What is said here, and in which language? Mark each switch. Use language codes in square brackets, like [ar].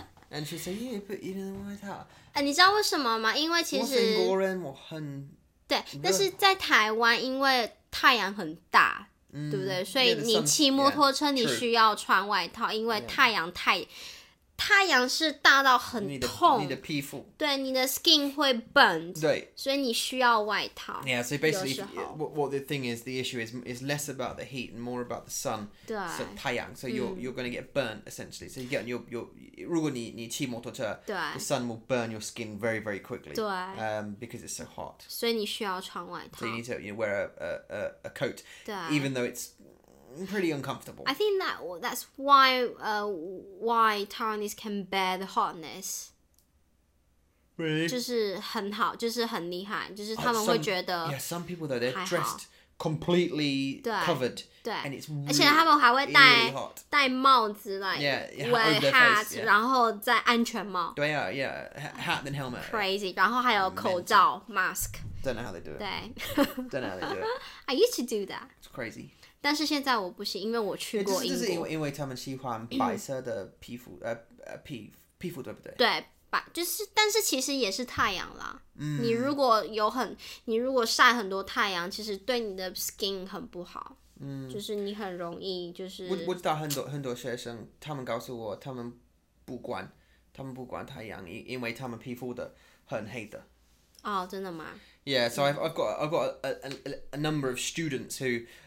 [en] And she said, "Yeah, but you didn't wear [zh] 外套。哎，你知道为什么吗？因为其实我是英国人，我很对，但是在台湾，因为太阳很大。嗯、对不对？所以你骑摩托车，你需要穿外套，因为太阳是大到很痛，你的皮肤，对，你的 skin 会 burn，对，所以你需要外套。 [en] Yeah, so basically, what the thing is, the issue is less about the heat and more about the sun. [zh] 对， [en] so, 太阳， so you're going to get burnt essentially. So yeah, you're [zh] 如果你骑摩托车，对， [en] the sun will burn your skin very very quickly. [zh] 对， [en] because it's so hot. [zh] 所以你需要穿外套。 [en] So you need to wear a coat. [zh] 对， [en] even though it's pretty uncomfortable. I think that's why Taiwanese can bear the hotness. Really? [zh] 就是很好，就是很厉害，就是他们会觉得 [en] yeah, some people though, they're dressed completely covered. [zh] 对。 [en] And it's [zh] really, 而且他们还会戴帽子 like, [en] yeah, wear yeah, hat, yeah. [zh] 然后再安全帽。对啊 [en] yeah, hat then helmet. Crazy. [zh] 然后还有口罩 mask. [en] Don't know how they do it. 对。 Don't know how they do it. I used to do that. It's crazy. [zh] 但是现在我不行，因为我去过英国。就是因为他们喜欢白色的皮肤，皮肤对不对？对，白就是，但是其实也是太阳啦。嗯。你如果晒很多太阳，其实对你的 skin 很不好。嗯。就是你很容易就是。我知道很多学生，他们告诉我，他们不管太阳，因为他们皮肤的很黑的。哦，真的吗 [en] ？Yeah, so I've got a number of students who.